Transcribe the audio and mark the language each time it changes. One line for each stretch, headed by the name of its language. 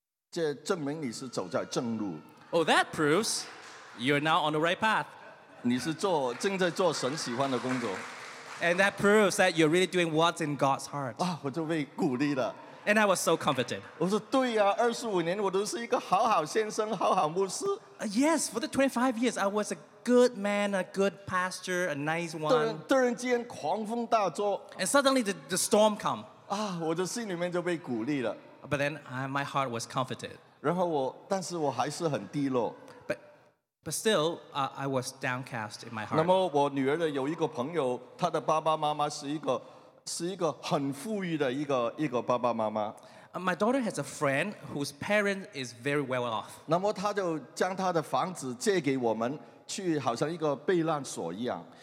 Chinese: 这证明你是走在正路。
English: Oh, that proves you're now on the right path.
Chinese: 你是正在做神喜欢的工作。
English: And that proves that you're really doing what's in God's heart.
Chinese: 我就被鼓励了。
English: And I was so comforted.
Chinese: 我说对啊, 25年我都是一个好好先生, 好好牧师。
English: Yes, for the 25 years, I was a good man, a good pastor, a nice one.
Chinese: 突然间狂风大作,
English: and suddenly the storm come.
Chinese: 我的心里面就被鼓励了。
English: But then my heart was comforted.
Chinese: 然后我, 但是我还是很低落。
English: But still, I was downcast in my heart.
Chinese: 那么我女儿的有一个朋友, 她的爸爸妈妈是一个 是一个很富裕的一个爸爸妈妈。
English: My daughter has a friend whose parent is very well off.
Chinese: 那么他就将他的房子借给我们，去好像一个避难所一样。